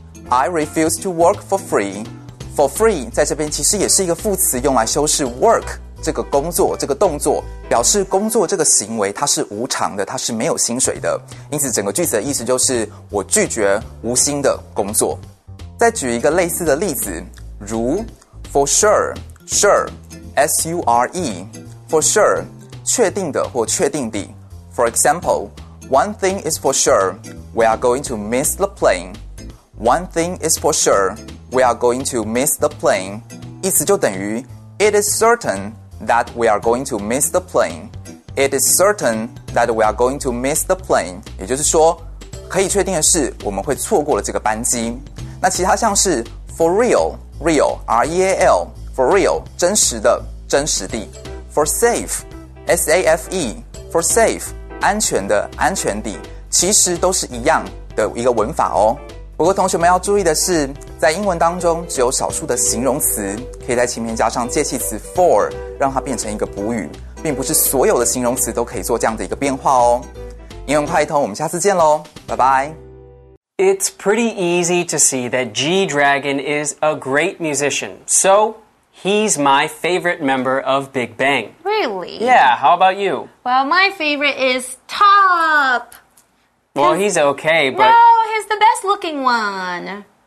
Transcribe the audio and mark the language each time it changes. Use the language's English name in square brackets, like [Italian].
[English] I refuse to work for free. For free [Chinese] 在这边其实也是一个副词，用来修饰 work 这个工作这个动作，表示工作这个行为它是无偿的，它是没有薪水的。因此整个句子的意思就是我拒绝无薪的工作。再举一个类似的例子，如 [English] For sure, sure. S-U-R-E For sure [Chinese] 确定的或确定的 [English] For example One thing is for sure We are going to miss the plane One thing is for sure We are going to miss the plane [Chinese] 意思就等于 [English] It is certain that we are going to miss the plane It is certain that we are going to miss the plane [Chinese] 也就是说可以确定的是我们会错过了这个班机。那其他像是 [English] For real Real R-E-A-L For real, [Chinese] 真实的真实地 [English] For safe, S-A-F-E For safe, [Chinese] 安全的安全地，其实都是一样的一个文法哦。不过同学们要注意的是，在英文当中只有少数的形容词可以在前面加上介系词 for 让它变成一个补语，并不是所有的形容词都可以做这样的一个变化哦。英文快一通，我们下次见咯，拜拜。 [English] It's pretty easy to see that G-Dragon is a great musician, soHe's my favorite member of Big Bang. Really? Yeah, how about you? Well, my favorite is Top. Well, he's okay, but... No, he's the best looking one.